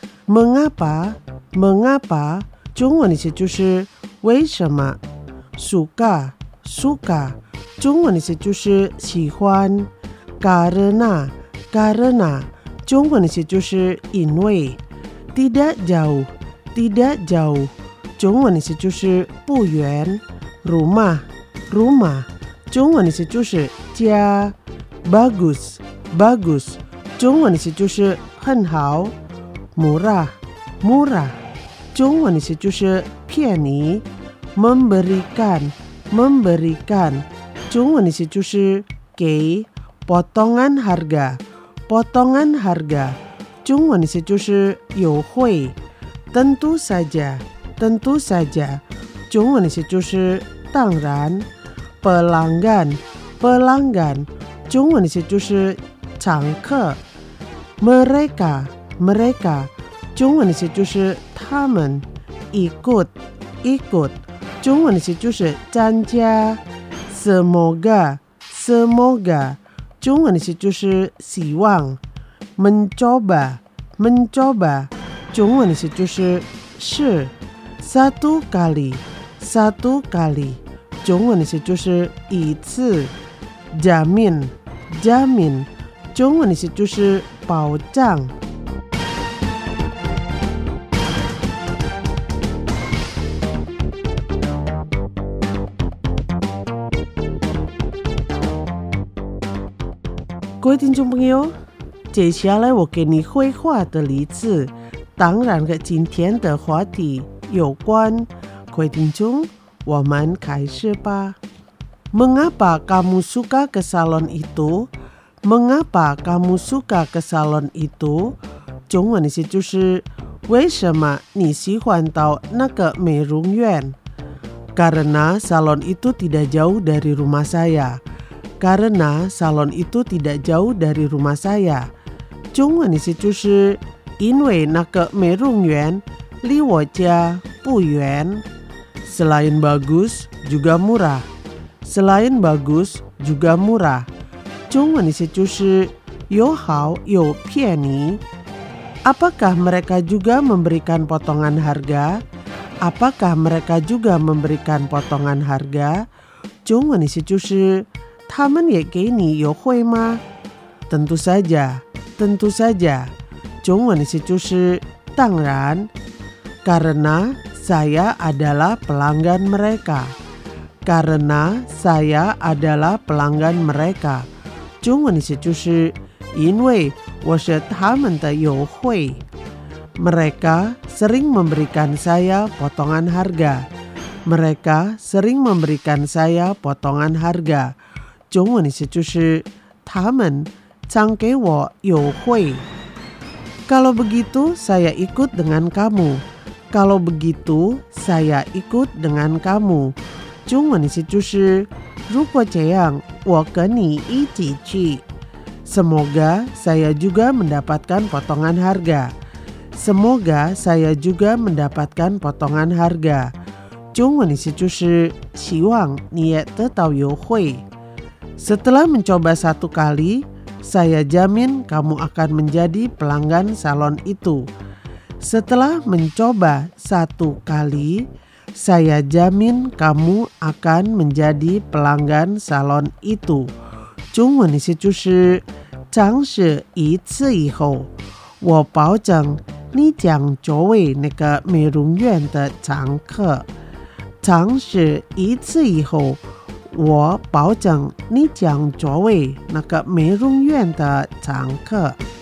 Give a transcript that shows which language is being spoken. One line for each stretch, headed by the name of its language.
Chinese: Mengapa， Mengapa 中文是就是为什么。 Suka， Suka 中文是就是喜欢。 Karena， Karena 中文是就是因为。 Tidak jauh， Tidak jauh中文是就是不远。 Rumah， Rumah 中文是就是家。 Bagus， Bagus 中文是就是很好。 Murah， Murah 中文是就是便宜。 Memberikan， Memberikan 中文是就是给。 Potongan harga， Potongan harga 中文是就是优惠。 Tentu saja，Tentu saja 中文是就是当然。 Pelanggan， Pelanggan 中文是就是常客。 Mereka， Mereka 中文是就是他们。 Ikut， Ikut 中文是就是参加。 Semoga， Semoga 中文是就是希望。 Mencoba， Mencoba 中文是就是试。 Satu kali， Satu kali 中文是就是一次。 Jamin， Jamin 中文是就是保障。各位听众朋友，接下来我给你绘画的例子当然和今天的话题有关，各位听众，我们开始吧。
Indonesian: Mengapa kamu suka ke salon itu? Mengapa kamu suka ke salon itu?
Chinese: 中文是就是为什么你喜欢到那个美容院？
Indonesian: Karena salon itu tidak jauh dari rumah saya. Karena salon itu tidak jauh dari rumah saya.
Chinese: 中文是就是因为那个美容院离我家不远。
Indonesian: Selain bagus juga murah， Selain bagus juga murah 中文是就是
Chinese: 又好又便宜。
Indonesian: Apakah mereka juga memberikan potongan harga？ Apakah mereka juga memberikan potongan harga？
Chinese: 中文是就是他们也给你优惠吗？
Indonesian: Tentu saja， Tentu saja
Chinese: 中文是就是当然。
Indonesian: Karena saya adalah pelanggan mereka. Karena saya adalah pelanggan mereka.
Chinese: 中文是就是因为我是他们的优惠。
Indonesian: Mereka sering memberikan saya potongan harga. Mereka sering memberikan saya potongan harga.
Chinese: 中文是就是他们常给我优惠。
Indonesian: Kalau begitu saya ikut dengan kamu. Kalau begitu, saya ikut dengan kamu.
Chinese: 中文的意思就是，如果这样，我跟你一起去。
Indonesian: Semoga saya juga mendapatkan potongan harga. Semoga saya juga mendapatkan potongan harga.
Chinese: 中文的意思就是，希望你也得到优惠。
Indonesian: Setelah mencoba satu kali, saya jamin kamu akan menjadi pelanggan salon itu. Setelah mencoba satu kali, saya jamin kamu akan menjadi pelanggan salon itu.
Chinese: 中文的意思就是，尝试一次以后，我保证你将作为那个美容院的常客。尝试一次以后，我保证你将作为那个美容院的常客。